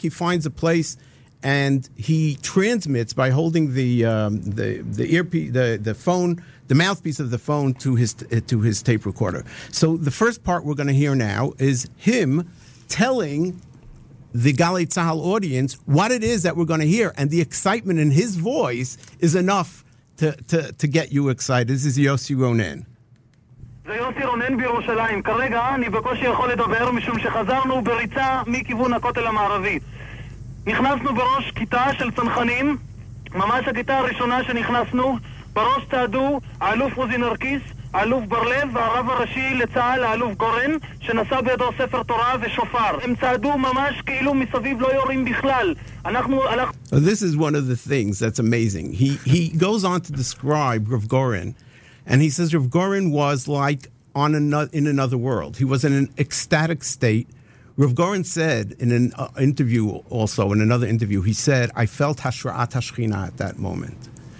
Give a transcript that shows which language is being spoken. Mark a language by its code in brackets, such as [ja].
[en] He finds a place and he transmits by holding the mouthpiece of the phone to his tape recorder. So the first part we're going to hear now is him telling the Galei Tzahal audience what it is that we're going to hear, and the excitement in his voice is enough to get you excited. This is Yossi Ronen. [he] זה יוסי רונן בירושלים. כרגע אני בקושי יכול לדבר משום שחזרנו בריצה מכיוון הכותל המערבי. נכנסנו בראש כיתה של צנחנים, ממש הכיתה הראשונה שנכנסנו, בראש תעדו האלוף רוזי נרקיס, האלוף ברלב והרב הראשי לצהל, האלוף גורן, שנשא בידו ספר תורה ושופר. הם צעדו ממש כאילו מסביב לא יורים בכלל. [en] This is one of the things that's amazing. He goes on to describe Rav Goren. And he says Rav Goren was like in another world. He was in an ecstatic state. Rav Goren said in an interview also, in another interview, he said, I felt Hashra'at HaShchina at that moment.